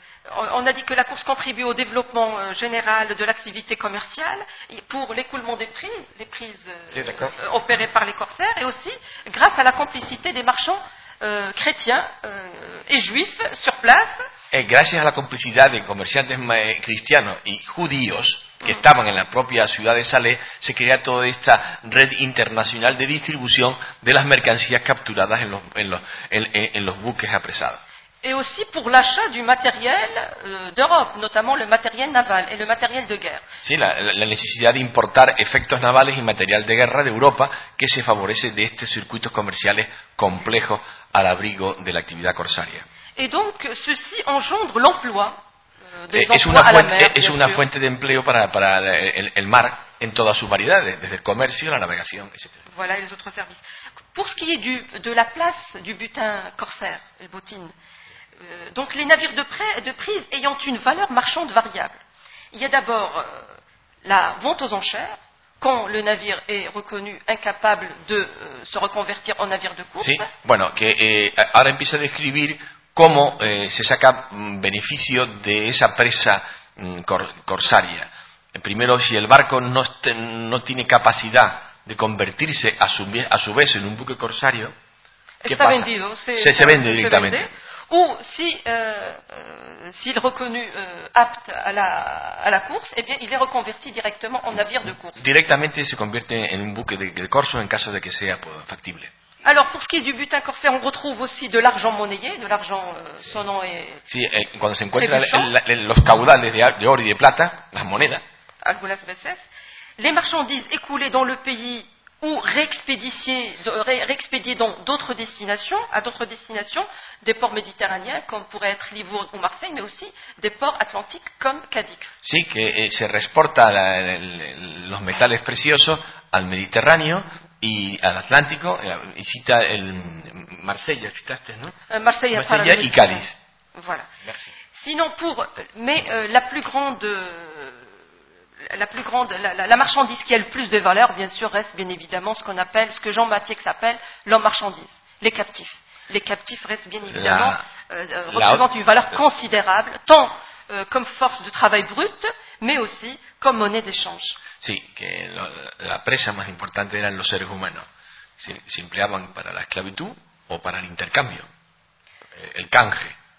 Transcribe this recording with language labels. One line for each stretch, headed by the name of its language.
French: On a dit que la course contribue au développement général de l'activité commerciale pour l'écoulement des prises, les prises opérées par les corsaires, et aussi grâce à la complicité des marchands chrétiens et juifs sur place.
Spanish: Et gracias a la complicidad de comerciantes cristianos y judíos que estaban en la propia ciudad de Salé, se crea toda esta red internacional de distribución de las mercancías capturadas en los buques apresados.
French: Et aussi pour l'achat du matériel d'Europe, notamment le matériel naval et le matériel de guerre.
Spanish: Sí, la necesidad de importar efectos navales y material de guerra de Europa, que se favorece de estos circuitos comerciales complejos al abrigo de la actividad corsaria.
French: Et donc, ceci engendre l'emploi,
Spanish: es una fuente de empleo para el mar en todas sus variedades, desde el comercio, la navegación, etc.
French: Voilà, les autres services. Pour ce qui est de la place du butin corsaire, le bottin, donc les navires de prise ayant une valeur marchande variable. Il y a d'abord la vente aux enchères, quand le navire est reconnu incapable de se reconvertir en navire de course.
Spanish: Sí, bueno, que ahora empieza a describir cómo se saca beneficio de esa presa corsaria. Primero, si el barco no tiene capacidad de convertirse a su vez en un buque corsario, ¿qué pasa? Vendido, se vende directamente.
French: Ou si s'il est reconnu apte à la course, eh bien il est reconverti directement en navire de course.
Spanish: Directamente se convierte en un buque de corso en caso de que sea factible.
French: Alors pour ce qui est du butin corsaire, on retrouve aussi de l'argent monnayé, de l'argent sonnant et
Spanish: sí, cuando se encuentran los caudales de oro y de plata, las monedas. Algunas veces,
French: les marchandises écoulées dans le pays ou réexpédier dans d'autres destinations, à d'autres destinations, des ports méditerranéens, comme pourrait être Livourne ou Marseille, mais aussi des ports atlantiques comme Cadix.
Spanish: Sí, que se reexporta los metales preciosos al Mediterráneo y al Atlántico, y cita el Marsella, citaste, ¿no? Marsella y Cádiz.
French: Voilà. Merci. Sinon, la marchandise qui a le plus de valeur, bien sûr, reste bien évidemment ce qu'on appelle, ce que Jean Mathieu appelle l'homme marchandise, les captifs. Les captifs restent bien évidemment, représentent une valeur considérable, tant comme force de travail brut, mais aussi comme monnaie d'échange.
Spanish: Sí, que la presa más importante eran los seres humanos. Se empleaban para la esclavitud o para el intercambio, el canje.